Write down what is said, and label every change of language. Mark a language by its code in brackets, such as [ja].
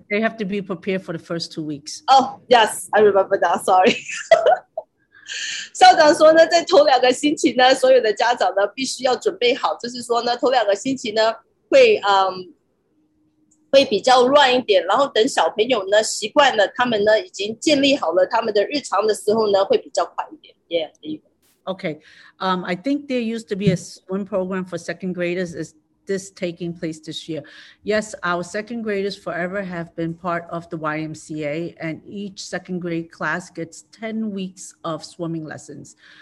[en] They have to be prepared for the first 2 weeks. Oh, yes, I remember that. Sorry. [zh] 校长说呢，在头两个星期呢，所有的家长呢必须要准备好，就是说呢，头两个星期呢会会比较乱一点，然后等小朋友呢习惯了，他们呢已经建立好了他们的日常的时候呢，会比较快一点。 [en] Okay, I think there used to be a swim program for second graders. Is this taking place this year? Yes, our second graders forever have been part of the YMCA, and each second grade class gets 10 weeks of swimming lessons.